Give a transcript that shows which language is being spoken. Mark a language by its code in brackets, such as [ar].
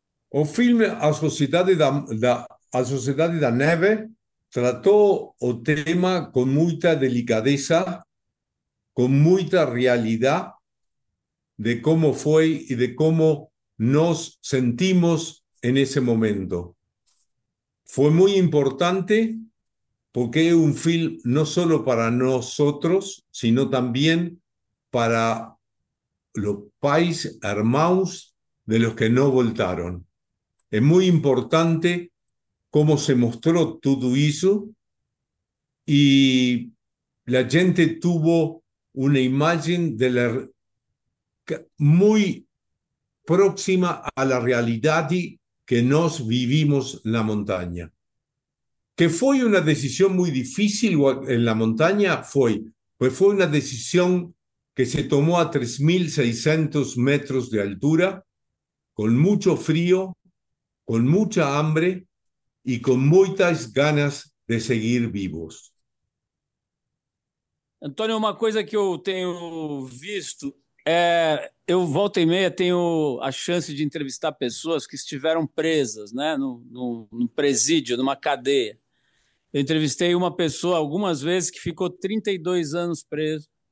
[pt] O filme A Sociedade da Neve tratou o tema com muita delicadeza, com muita realidade, de como foi e de como nos sentimos em esse momento. Foi muito importante porque é um filme não só para nós, [es] sino [pt] também para os pais, irmãos [es] de los que [pt] não voltaram. [es] Es muy importante cómo se mostró todo eso y la gente tuvo una imagen muy próxima a la realidad que nos vivimos en la montaña. Que fue una decisión muy difícil en la montaña, fue una decisión que se tomó a 3.600 metros de altura, con mucho frío, con mucha hambre y con muchas ganas de seguir vivos. [pt] Antônio, uma coisa que eu tenho visto é. Eu, volta e meia, tenho a chance de entrevistar pessoas que estiveram presas, né, no presídio, numa cadeia. Eu entrevistei uma pessoa algumas vezes que ficou 32 anos preso.